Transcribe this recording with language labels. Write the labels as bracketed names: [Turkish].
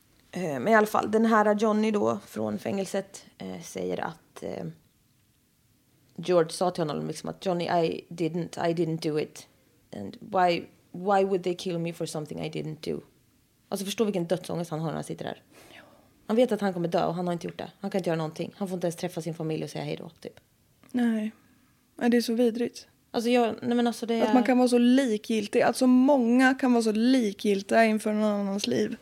[Swedish] Men i alla fall, den här Johnny då från fängelset säger att George sa till honom liksom att Johnny, [English] I didn't do it. And why would they kill me for something I didn't do? [Swedish] Alltså förstå vilken dödsångest han har när han sitter där. Han vet att han kommer dö och han har inte gjort det. Han kan inte göra någonting. Han får inte ens träffa sin familj och säga hej då, typ. Nej. Men det är så vidrigt. Alltså jag, nej men alltså det är... Att man kan vara så likgiltig. Att så många kan vara så likgiltiga inför någon annans liv.